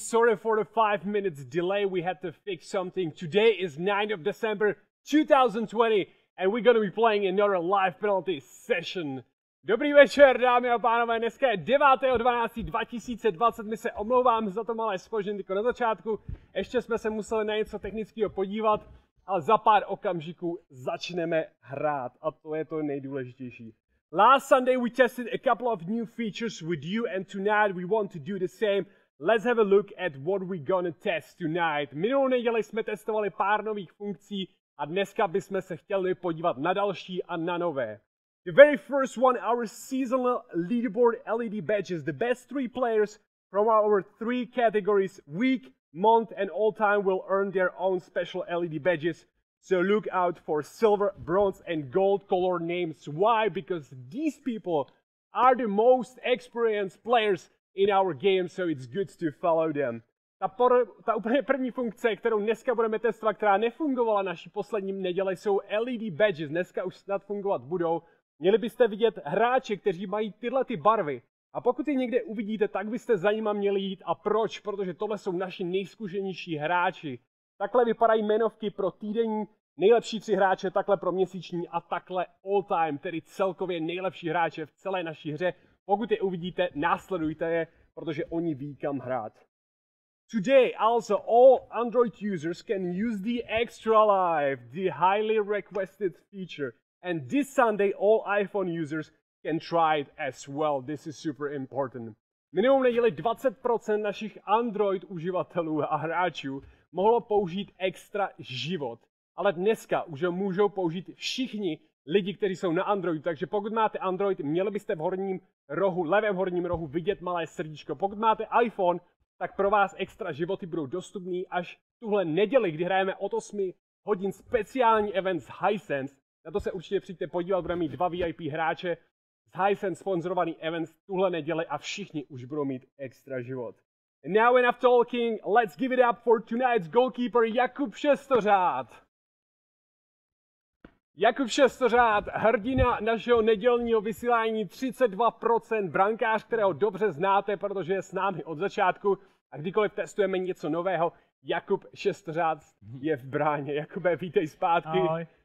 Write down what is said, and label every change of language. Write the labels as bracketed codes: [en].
[en] Sorry for the 5 minutes delay, we had to fix something. Today is 9th of December 2020 and we're gonna be playing another live penalty session. [cs] Dobrý večer, dámy a pánové, dneska je 9.12.2020. My se omlouvám za to malé zpoždění jako na začátku. Ještě jsme se museli na něco technického podívat, ale za pár okamžiků začneme hrát a to je to nejdůležitější. [en] Last Sunday we tested a couple of new features with you and tonight we want to do the same. Let's have a look at what we're gonna test tonight. [cs] Minulou neděli jsme testovali pár nových funkcí a dneska bychom se chtěli podívat na další a na nové. [en] The very first one, our seasonal leaderboard LED badges. The best three players from our three categories, week, month and all time will earn their own special LED badges. So look out for silver, bronze, and gold color names. Why? Because these people are the most experienced players in our game, so it's good to follow them. [cs] Ta úplně první funkce, kterou dneska budeme testovat, která nefungovala naší poslední neděli, jsou LED badges. Dneska už snad fungovat budou. Měli byste vidět hráče, kteří mají tyhle ty barvy. A pokud je někde uvidíte, tak byste za nima měli jít. A proč? Protože tohle jsou naši nejzkušenější hráči. Takhle vypadají jmenovky pro týdenní nejlepší tři hráče, takhle pro měsíční a takhle all time, tedy celkově nejlepší hráče v celé naší hře. Pokud je uvidíte, následujte je, protože oni ví kam hrát. [en] Today also all Android users can use the Extra Life, the highly requested feature. And this Sunday all iPhone users can try it as well. This is super important. [cs] Minimum neděli 20% našich Android uživatelů a hráčů mohlo použít extra život. Ale dneska už ho můžou použít všichni lidi, kteří jsou na Androidu. Takže pokud máte Android, měli byste v horním rohu, levém horním rohu vidět malé srdíčko. Pokud máte iPhone, tak pro vás extra životy budou dostupný až tuhle neděli, kdy hrajeme od 8 hodin speciální event z Hisense. Na to se určitě přijďte podívat, budeme mít dva VIP hráče z Hisense sponzorovaný event tuhle neděli a všichni už budou mít extra život. [en] Now enough talking, let's give it up for tonight's goalkeeper Jakub Sestorad. [cs] Jakub Sestorad, hrdina našeho nedělního vysílání, 32%, brankář, kterého dobře znáte, protože je s námi od začátku a kdykoliv testujeme něco nového, Jakub Sestorad je v bráně. Jakube, vítej zpátky. Ahoj.